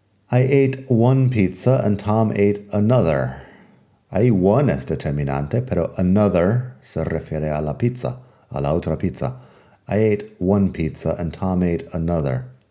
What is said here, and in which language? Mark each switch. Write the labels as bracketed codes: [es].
[en] I ate one pizza and Tom ate another. [es] Ahí one es determinante, pero another se refiere a la pizza, a la otra pizza. [en] I ate one pizza and Tom ate another.